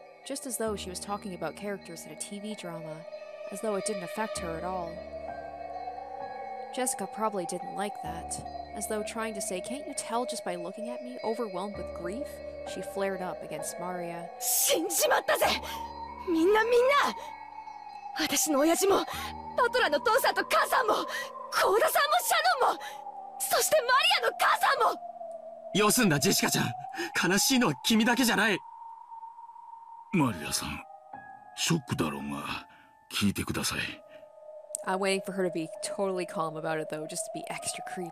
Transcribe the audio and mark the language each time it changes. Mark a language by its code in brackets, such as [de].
[en] Just as though she was talking about characters in a TV drama, as though it didn't affect her at all. Jessica probably didn't like that, as though trying to say, can't you tell just by looking at me, overwhelmed with grief, she flared up against Maria. [ja] 死んじまったぜ!みんなみんな! 私の親父も、パトラの父さんと母さんも、コーダさんもシャノンも、そしてマリアの母さんも! よすんだ、ジェシカちゃん。悲しいのは君だけじゃない。マリアさん、ショックだろうが、聞いてください。 [en] I'm waiting for her to be totally calm about it though, just to be extra creepy.